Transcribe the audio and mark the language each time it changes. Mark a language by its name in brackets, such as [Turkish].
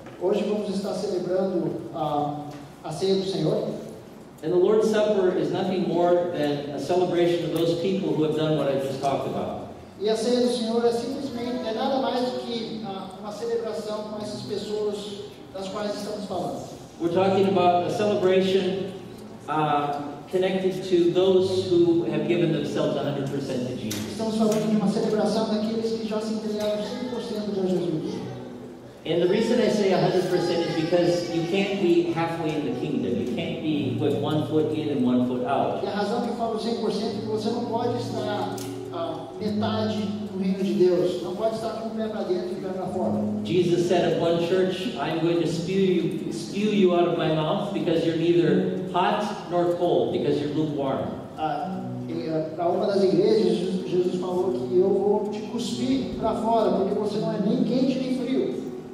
[Portuguese] Hoje vamos estar celebrando a ceia do Senhor. [English] And the Lord's Supper is nothing more than a celebration of those people who have done what I just talked about. [Portuguese] E a ceia do Senhor é simplesmente, é nada mais do que uma celebração com essas pessoas das quais estamos falando. [English] We're talking about a celebration connected to those who have given themselves 100% to Jesus. [Portuguese] Estamos falando de uma celebração daqueles que já se entregaram 100% a Jesus. [English] And the reason I say 100% is because you can't be halfway in the kingdom. You can't be with one foot in and one foot out. [Portuguese] E a razão que eu falo 100% é que você não pode estar metade no reino de Deus. Não pode estar com o pé para dentro e o pé para fora. [English] Jesus said of one church, I'm going to spew you out of my mouth because you're neither hot nor cold, because you're lukewarm. [Portuguese] Para uma das igrejas, Jesus falou que eu vou te cuspir para fora porque você não é nem quente nem frio.